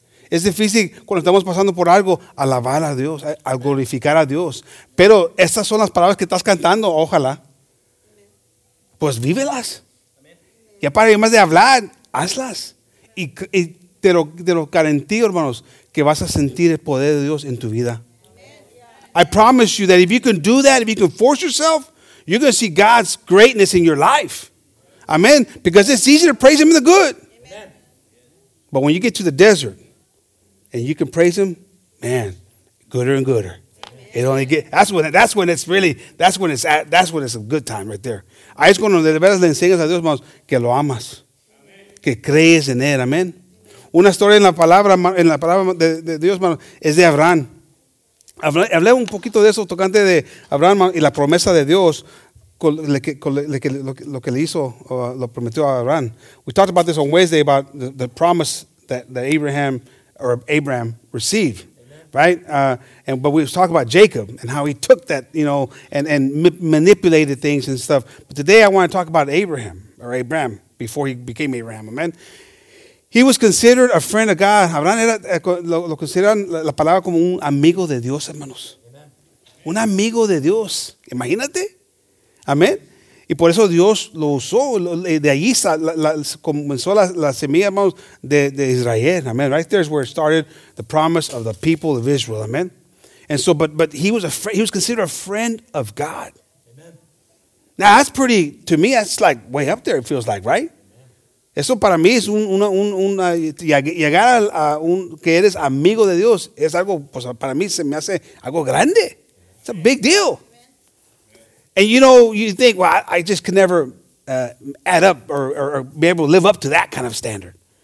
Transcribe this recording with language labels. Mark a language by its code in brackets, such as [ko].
[es] Es difícil cuando estamos pasando por algo, alabar a Dios, a glorificar a Dios. Pero estas son las palabras que estás cantando, ojalá. Pues vívelas. Ya para más de hablar, hazlas. Y te lo garantizo, hermanos, que vas a sentir el poder de Dios en tu vida. [en] I promise you that if you can do that, if you can force yourself, you're going to see God's greatness in your life. Amen. Because it's easy to praise Him in the good. But when you get to the desert, and you can praise Him, man, gooder and gooder. Amen. It only gets, that's when it's a good time right there. [es] Ahí es cuando de verdad le enseñas a Dios, hermanos, que lo amas. Amen. Que crees en Él, amén. Una historia en la palabra de Dios, hermanos, es de Abraham. Hablé un poquito de eso, tocante de Abraham y la promesa de Dios, lo que le hizo, lo prometió a Abraham. [en] We talked about this on Wednesday, about the promise that Abraham, or Abraham received, amen, right? But we was talking about Jacob and how he took that, you know, and manipulated things and stuff. But today I want to talk about Abraham, or Abraham, before he became Abraham, amen? He was considered a friend of God. [es] Abraham era, lo consideran la palabra como un amigo de Dios, hermanos. Amen. Un amigo de Dios. Imagínate. Amen. Y por eso Dios lo usó, de allí comenzó la semilla, hermanos, de Israel, amen. [en] Right there is where it started, the promise of the people of Israel, amen. And so, but he was considered a friend of God. Amen. Now that's pretty, to me, that's like way up there, it feels like, right? Amen. [es] Eso para mí es un llegar a un, que eres amigo de Dios, es algo, pues para mí se me hace algo grande. [en] It's a big deal. And you know, you think, well, I just can never add up or be able to live up to that kind of standard.